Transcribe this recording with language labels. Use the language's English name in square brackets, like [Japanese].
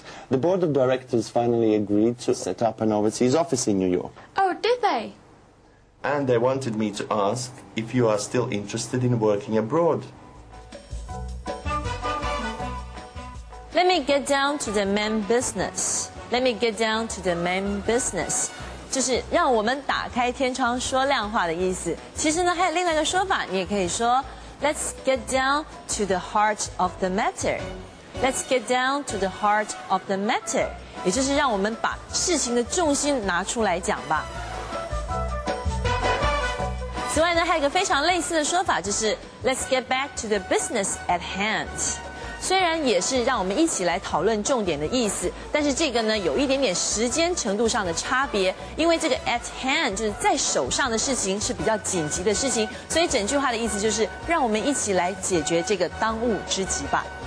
[English] The board of directors finally agreed to set up an overseas office in New York. Oh, did they? And they wanted me to ask if you are still interested in working abroad. Let me get down to the main business. Let me get down to the main business. [Chinese] 就是让我们打开天窗说亮话的意思。其实呢，还有另外一个说法，你也可以说 [English] Let's get down to the heart of the matter. Let's get down to the heart of the matter. [Chinese] 也就是让我们把事情的重心拿出来讲吧。此外呢，还有一个非常类似的说法，就是 [English] Let's get back to the business at hand. [Chinese] 虽然也是让我们一起来讨论重点的意思，但是这个呢有一点点时间程度上的差别，因为这个 at hand 就是在手上的事情是比较紧急的事情，所以整句话的意思就是让我们一起来解决这个当务之急吧。